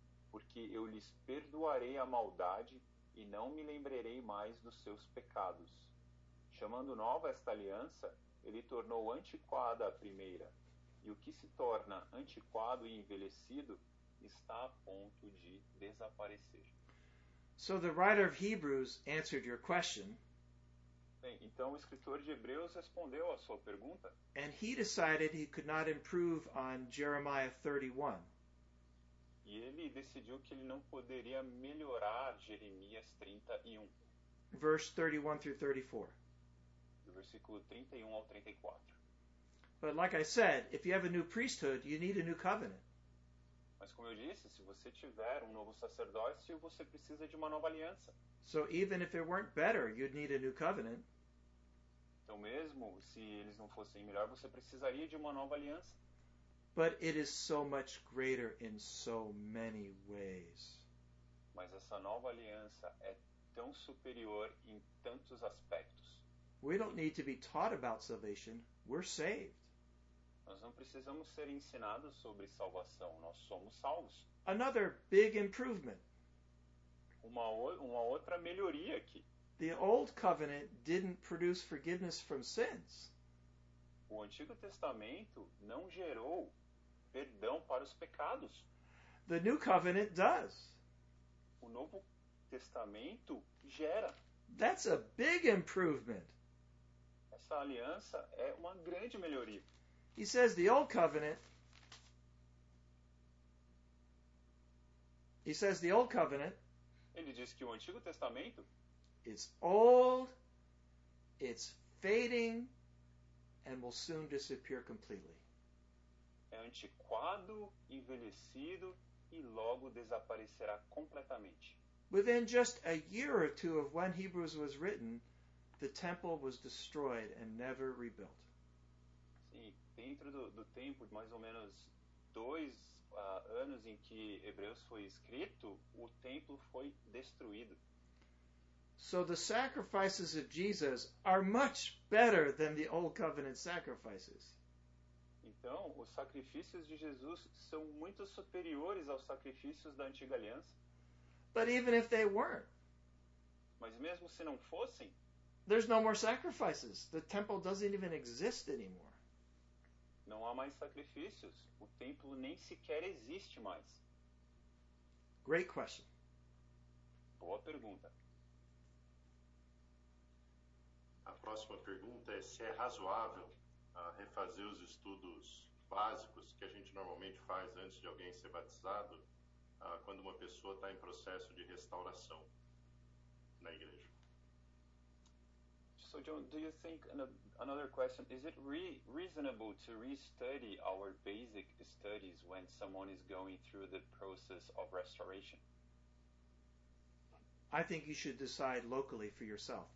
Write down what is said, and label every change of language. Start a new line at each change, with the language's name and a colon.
Portuguese: Porque eu lhes perdoarei a maldade e não me lembrarei mais dos seus pecados. Chamando nova esta aliança, ele tornou antiquada a primeira, e o que se torna antiquado e envelhecido está a ponto de desaparecer.
English: So the writer of Hebrews answered your question.
Portuguese: Bem, então o escritor de Hebreus respondeu a sua pergunta.
English: And he decided he could not improve on Jeremiah 31.
Portuguese: E ele decidiu que ele não poderia melhorar Jeremias 31.
English: Verse 31 through 34.
Portuguese: Do versículo 31 ao 34.
English: But like I said, if you have a new priesthood, you need a new covenant.
Portuguese: Mas como eu disse, se você tiver novo sacerdócio, você precisa de uma nova aliança.
English: So even if it weren't better, you'd need a new covenant.
Portuguese: Então mesmo se eles não fossem melhor, você precisaria de uma nova aliança.
English: But it is so much greater in so many ways.
Portuguese: Mas essa nova aliança é tão superior em tantos aspectos.
English: We don't need to be taught about salvation, we're saved.
Portuguese: Nós não precisamos ser ensinados sobre salvação, nós somos salvos.
English: Another big improvement.
Portuguese: Uma outra melhoria aqui.
English: The old covenant didn't produce forgiveness from sins.
Portuguese: O Antigo Testamento não gerou perdão para os pecados.
English: The new covenant does.
Portuguese: O Novo Testamento gera.
English: That's a big improvement.
Portuguese: Essa aliança é uma grande melhoria.
English: He says the old covenant. He says the old covenant.
Portuguese: Ele diz que o Antigo Testamento.
English: It's old. It's fading, and will soon disappear completely.
Portuguese: É antiquado, envelhecido e logo desaparecerá completamente.
English: Within just a year or two of when Hebrews was written, the temple was destroyed and never rebuilt.
Portuguese: Dentro do tempo de mais ou menos dois anos em que Hebreus foi escrito, o templo foi destruído.
English: So the sacrifices of Jesus are much better than the old covenant sacrifices.
Portuguese: Então, os sacrifícios de Jesus são muito superiores aos sacrifícios da antiga aliança.
English: But even if they weren't.
Portuguese: Mas mesmo se não fossem.
English: There's no more sacrifices. The temple doesn't even exist anymore.
Portuguese: Não há mais sacrifícios. O templo nem sequer existe mais.
English: Great question.
Portuguese: Boa pergunta. A próxima pergunta é se é razoável refazer os estudos básicos que a gente normalmente faz antes de alguém ser batizado, quando uma pessoa está em processo de restauração na igreja.
English: So, John, do you think another question? Is it reasonable to restudy our basic studies when someone is going through the process of restoration? I think you should decide locally for yourself.